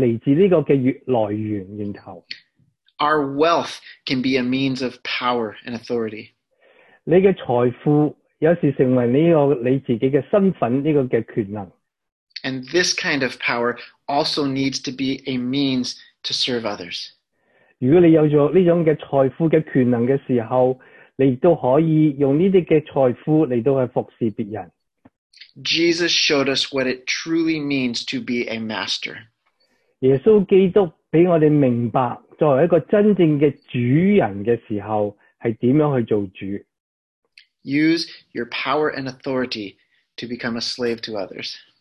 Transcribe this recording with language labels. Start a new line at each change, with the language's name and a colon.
Chinese: 有时这个权柄是来自这个源头。
English: Our wealth can be a means of power and authority.
Chinese: 你的财富有时成为你自己的身份这个权能。
English: And this kind of power also needs to be a means to serve others.
Chinese: 如果你有了这种财富的权能的时候, 你都可以用这些财富来服侍别人。
English: Jesus showed us what it truly means to be a master.
Chinese: 耶稣基督让我们明白,作为一个真正的主人的时候,是怎样去做主。
English: Use your power and authority to become a slave to others.